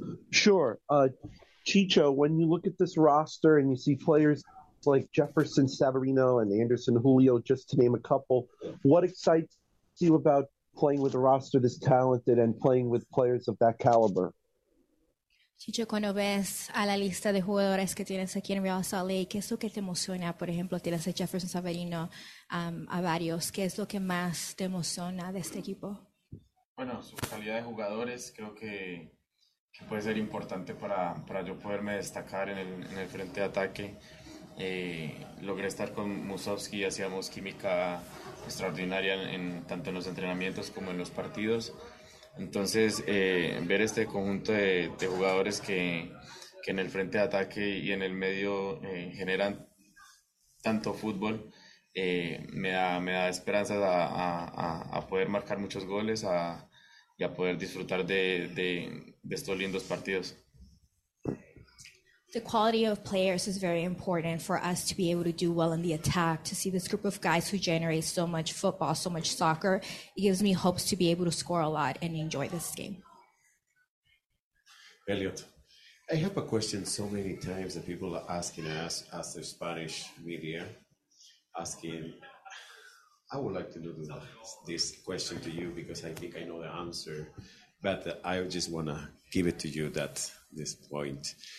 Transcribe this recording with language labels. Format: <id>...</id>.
<en>Sure. Chicho, when you look at this roster and you see players like Jefferson Savarino and Anderson Julio, just to name a couple, what excites you about playing with a roster this talented and playing with players of that caliber?</en> <es>Chicho, cuando ves a la lista de jugadores que tienes aquí en Real Salt Lake, ¿qué es lo que te emociona? Por ejemplo, tienes a Jefferson Savarino, a varios. ¿Qué es lo que más te emociona de este equipo? Bueno, su calidad de jugadores creo que puede ser importante para yo poderme destacar en el frente de ataque. Logré estar con Musovski, hacíamos química extraordinaria tanto en los entrenamientos como en los partidos. Entonces, ver este conjunto de jugadores que en el frente de ataque y en el medio generan tanto fútbol, me da esperanzas a poder marcar muchos goles y a poder disfrutar de estos lindos partidos.</es> <en>The quality of players is very important for us to be able to do well in the attack. To see this group of guys who generate so much football, so much soccer, it gives me hopes to be able to score a lot and enjoy this game. Elliot, I have a question so many times that people are asking us, as the Spanish media, asking, I would like to know this question to you because I think I know the answer, but I just want to give it to you that this point.</en>